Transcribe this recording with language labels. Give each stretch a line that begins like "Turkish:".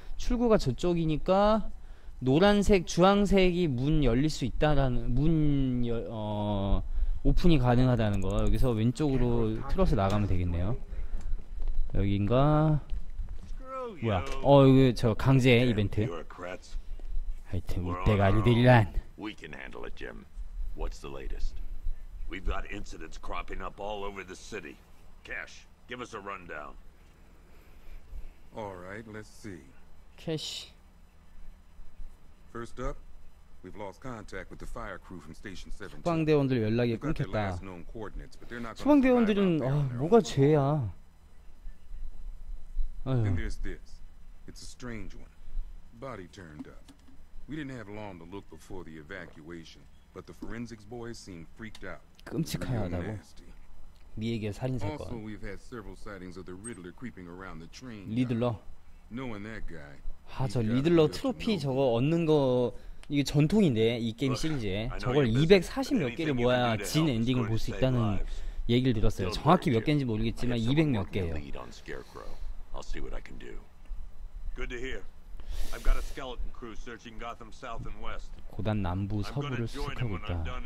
Korean: 출구가 저쪽이니까 노란색 주황색이 문 열릴 수 있다라는 문 오픈이 가능하다는 거 여기서 왼쪽으로 틀어서 나가면 되겠네요. 여긴가? 뭐야? 어 이거 저 강제 이벤트. 하여튼 이때가 아니들란.
English: We can handle it, Jim. What's the latest? We've got incidents cropping up all over the city. Cash, give us a rundown. All right, let's see. Cash. First up, we've lost contact with the fire crew from Station 17.
Korean: 소방대원들 연락이 끊겼다. 소방대원들은 아 뭐가 죄야?
English: And there's this. It's a strange one. Body turned up. We didn't have long to look before the evacuation, but the forensics boys seemed freaked out.
Korean: 끔찍하다고. 미에게 살인사건.
English: Also, we've had several sightings of the Riddler creeping around the train.
Korean: 리들러.
English: Knowing that guy.
Korean: 아, 저 리들러 트로피 저거 얻는 거 이게 전통인데 이 게임 시리즈에 저걸 240몇 개를 모아야 진 엔딩을 볼 수 있다는 얘기를 들었어요. 정확히 몇 개인지 모르겠지만 200몇 개예요.
English: I'll see what I can do. Good to hear. I've got a skeleton crew searching Gotham south and west.
Korean: 고단 남부 서부를 수색하고 있다.